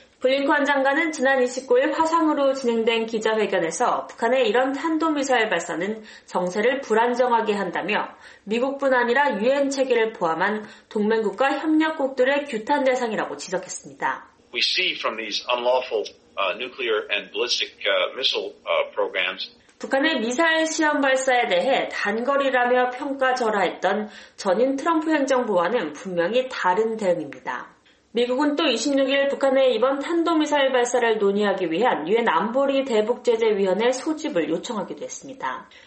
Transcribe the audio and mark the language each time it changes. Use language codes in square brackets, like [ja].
[ko] 블링컨 장관은 지난 29일 화상으로 진행된 기자회견에서 북한의 이런 탄도미사일 발사는 정세를 불안정하게 한다며 미국뿐 아니라 유엔 체계를 포함한 동맹국과 협력국들의 규탄 대상이라고 지적했습니다. [en] We see from these unlawful nuclear and ballistic missile programs [ko] 북한의 미사일 시험 발사에 대해 단거리라며 평가절하했던 전임 트럼프 행정부와는 분명히 다른 대응입니다. 미국은 또 26일 북한의 이번 탄도미사일 발사를 논의하기 위한 유엔 안보리 대북제재위원회 소집을 요청하기도 했습니다.